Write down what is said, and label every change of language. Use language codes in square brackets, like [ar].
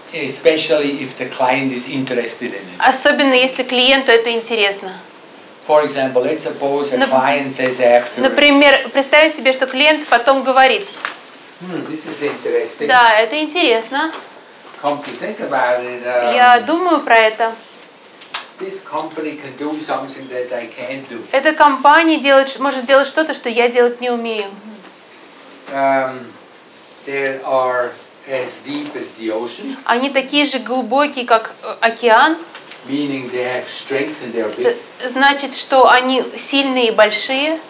[en] Especially if the client is interested in it. [ru] Особенно если клиенту это интересно. [en] For example, let's suppose a client says after. [ru] Например, представь себе, что клиент потом говорит. [en] This is interesting. [ru] Да, это интересно. [en] Come to think about it. [ru] Я думаю про это. [en] This company can do something that I can't do. [ru] Эта компания может делать что-то, что я делать не умею. [en] There are as deep as the ocean. [ru] Они такие же глубокие, как океан. [en] Meaning they have strength and they're big. [ru] Значит, что они сильные и большие.